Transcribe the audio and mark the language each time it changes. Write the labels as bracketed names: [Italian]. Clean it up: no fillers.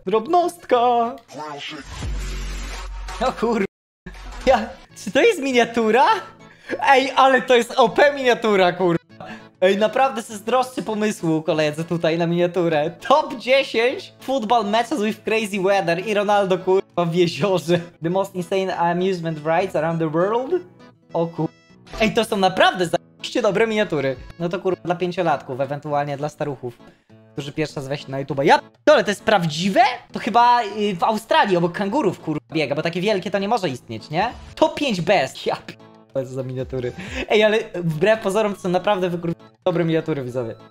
[Polish] Drobnostka! O kurwa. Ja... Czy to jest miniatura? Ej, ale to jest OP miniatura, kurwa. Ej, naprawdę se zdroszczy pomysłu, koledze, tutaj na miniaturę. [English] Top 10 football matches with crazy weather i Ronaldo, [Polish] kurwa, w jeziorze. [English] The most insane amusement rides around the world? [Polish] O kurwa. Ej, to są naprawdę zajebiście dobre miniatury. No to kurwa dla pięciolatków, ewentualnie dla staruchów, którzy pierwsza zweź na YouTube. Ja pierdolę, to jest prawdziwe? To chyba w Australii obok kangurów, kurwa, biega, bo takie wielkie to nie może istnieć, nie? [English] Top 5 best. [Polish] Ja pierdolę, co za miniatury. Ej, ale wbrew pozorom to są naprawdę dobre miniatury, widzowie.